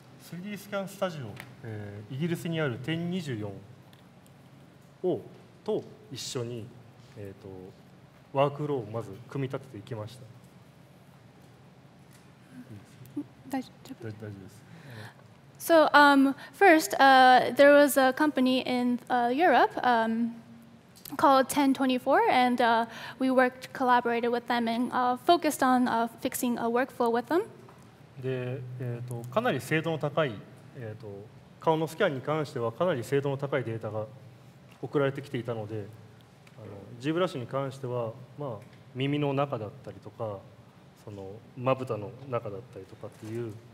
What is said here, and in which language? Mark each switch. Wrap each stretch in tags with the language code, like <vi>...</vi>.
<ja>3D スキャンスタジオ、イギリスにある1024をと一緒に、ワークフローをまず組み立てていきました。大丈夫です。</ja> <en>So first, there was a company in Europe called 1024, and we worked, collaborated with them, and focused on fixing a workflow with them.</en> <ja>で、かなり精度の高い、顔のスキャンに関してはかなり精度の高いデータが送られてきていたので、ZBrushに関しては、まあ、耳の中だったりとか、そのまぶたの中だったりとかっていう。</ja>